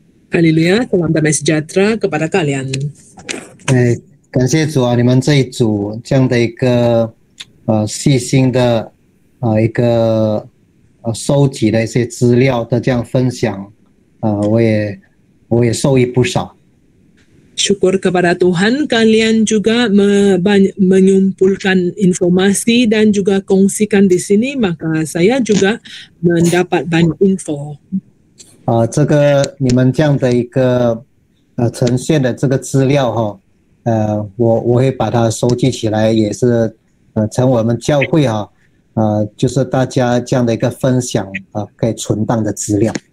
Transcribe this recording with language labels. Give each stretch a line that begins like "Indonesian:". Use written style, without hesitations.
Malay: Haleluya, salam damai sejahtera kepada kalian. Hey.
Chinese: 感谢主啊，你们这一组这样的一个细心的一个收集的一些资料的这样分享，我也受益不少。
Malay: Syukur kepada Tuhan kalian juga menyumpulkan informasi dan juga kongsikan di sini, maka saya juga mendapat banyak info.
Chinese: 这个你们这样的一个呈现的这个资料，我会把它收集起来，也是成我们教会哈，就是大家这样的一个分享可以存档的资料。